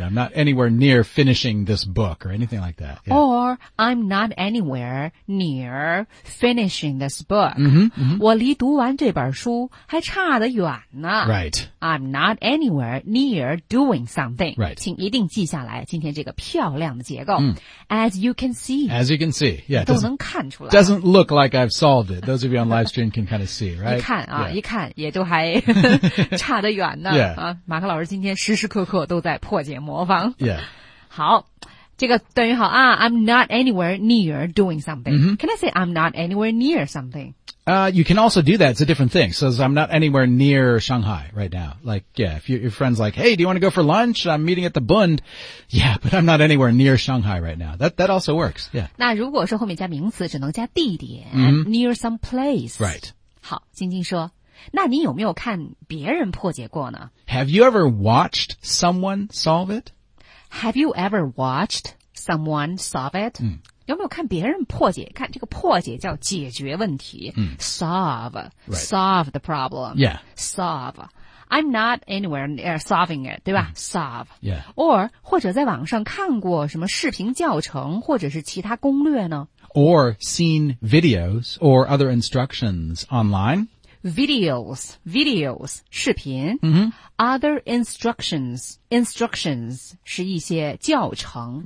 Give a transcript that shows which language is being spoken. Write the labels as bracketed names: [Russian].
[English] I'm not anywhere near finishing this book or anything like that.、Yeah. Or I'm not anywhere near finishing this book. Mm-hmm, mm-hmm. [Chinese] 我离读完这本书还差得远呢。 [English] Right. I'm not anywhere near doing something. Right. [Chinese] 请一定记下来今天这个漂亮的结构。 Mm. [English] As you can see. As you can see, yeah. 都能看出来。 Doesn't look like I've solved it. Those of you on live stream can kind of see, right? [Chinese] 一看啊、yeah. 一看也都还差得远呢。 [English] Yeah. [Chinese] 马克老师今天时时刻刻都在破解魔方。 [English] Yeah. [Chinese] 好。这个等于好啊 [English] I'm not anywhere near doing something.、 Mm-hmm. Can I say I'm not anywhere near something? You can also do that. It's a different thing. So I'm not anywhere near Shanghai right now. Like, yeah, if your friend's like, hey, do you want to go for lunch? I'm meeting at the Bund. Yeah, but I'm not anywhere near Shanghai right now. That also works. Yeah. [Chinese] 那如果说后面加名词只能加地点、 mm-hmm. [English] near some place. Right. [Chinese] 好晶晶说那你有没有看别人破解过呢 [English] Have you ever watched someone solve it? Have you ever watched someone solve it?、嗯、 [Chinese] 有没有看别人破解看这个破解叫解决问题、嗯、 [English] Solve、 right. Solve the problem Yeah Solve I'm not anywhere near solving it [Chinese] 对吧、 [English] 嗯、Solve Yeah [Chinese] Or 或者在网上看过什么视频教程或者是其他攻略呢 [English] Or seen videos or other instructions online Videos, 视频、 mm-hmm. Other instructions [Chinese] 是一些教程、